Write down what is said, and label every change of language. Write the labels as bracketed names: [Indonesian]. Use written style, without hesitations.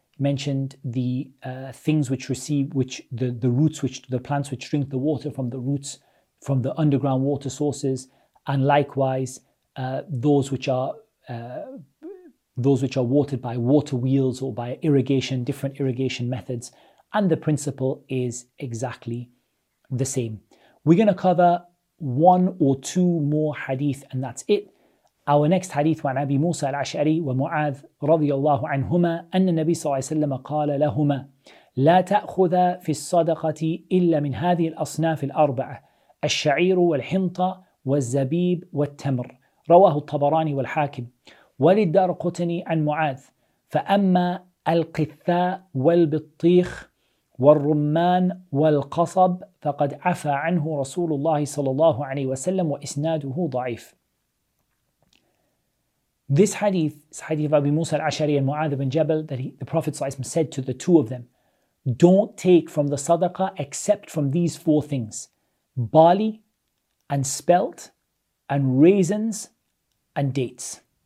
[English] mentioned the things which receive, which the roots, which the plants which drink the water from the roots, from the underground water sources, and likewise those which are watered by water wheels or by irrigation, different irrigation methods, and the principle is exactly the same. We're going to cover one or two more hadith, and that's it. Our next hadith [Arabic] عن أبي موسى الأشعري ومعاذ رضي الله عنهما أن النبي صلى الله عليه وسلم قال لهما لا تأخذ في الصدقة إلا من هذه الأصناف الأربعة الشعير والحنطة والزبيب والتمر رواه الطبراني والحاكم وللدارقطني عن معاذ فأما القثاء والبطيخ والرمان والقصب فقد عفى عنه رسول الله صلى الله عليه وسلم وإسناده ضعيف. [English] This hadith is hadith of Abu Musa al-Ash'ari and Mu'adh ibn Jabal that the Prophet ﷺ said to the two of them, don't take from the sadaqah except from these four things, barley and spelt and raisins and dates.